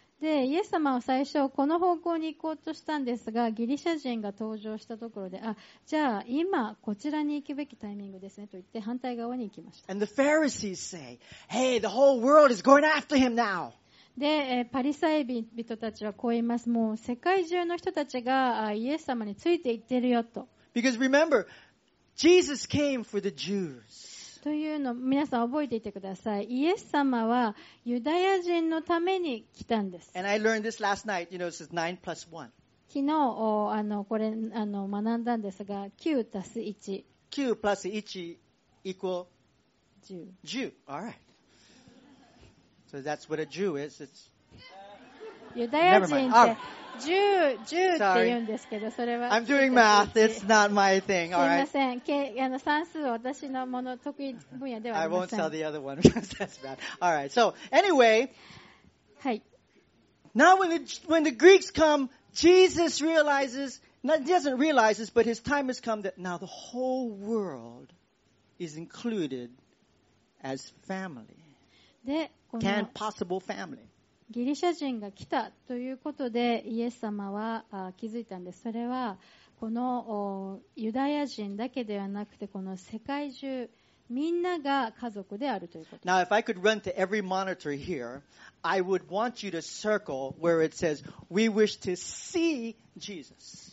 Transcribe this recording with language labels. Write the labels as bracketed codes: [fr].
[ja] で、イエス様は最初この方向に行こうとしたんですが、ギリシャ人が登場したところで、あ、じゃあ今こちらに行くべきタイミングですねと言って反対側に行きました。 [en] And the Pharisees say, "Hey, the whole world is going after him now." [ja] で、パリサイ人たちはこう言います。もう世界中の人たちがイエス様についていってるよと。 [en] Because remember, Jesus came for the Jews. [ja] というの、皆さん覚えていてください。イエス様はユダヤ人のために来たんです。 [en] And I learned this last night. You know, this is 9 plus 1. [ja] 昨日、これ、学んだんですが、9たす1。 [en] 9 plus 1 equal 10。 10。 All right. So that's what a Jew is. It's... [ja] ユダヤ人って十って言うんですけど、それは。 [en] I'm doing math. It's not my thing. [ja] すみません。算数は私のもの得意分野ではありません。 [en] I won't tell the other one because that's bad. All right. So anyway, [ja] はい。 [en] Now when the Greeks come, Jesus realizes. Not doesn't realize this, but his time has come. That now the whole world is included as family. [ja] で、このギリシャ人が来たということでイエス様は気づいたんです。それはこのユダヤ人だけではなくて、この世界中みんなが家族であるということ。 [en] Now if I could run to every monitor here, I would want you to circle where it says we wish to see Jesus.